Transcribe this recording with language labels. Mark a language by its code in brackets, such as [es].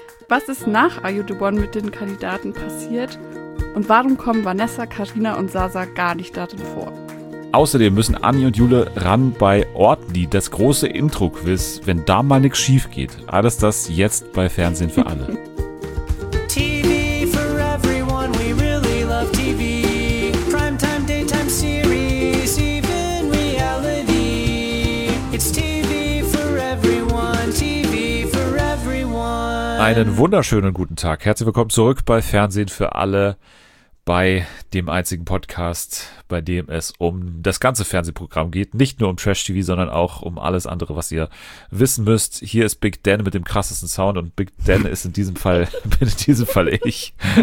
[de] Was ist nach I, the One mit den Kandidaten passiert und warum kommen Vanessa, Carina und Sasa gar nicht darin vor? Außerdem müssen Anni und Jule ran bei Ortli, das große Intro-Quiz, wenn da mal nichts schief geht. Alles das jetzt bei Fernsehen für alle. [en] TV for everyone, we really love TV. Primetime, daytime series, even reality. It's TV for everyone, TV for everyone. [de] Einen wunderschönen guten Tag. Herzlich willkommen zurück bei Fernsehen für alle. Bei dem einzigen Podcast, bei dem es um das ganze Fernsehprogramm geht. Nicht nur um Trash-TV, sondern auch um alles andere, was ihr wissen müsst. Hier ist Big Dan mit dem krassesten Sound und Big Dan ist in diesem Fall, bin in diesem Fall ich.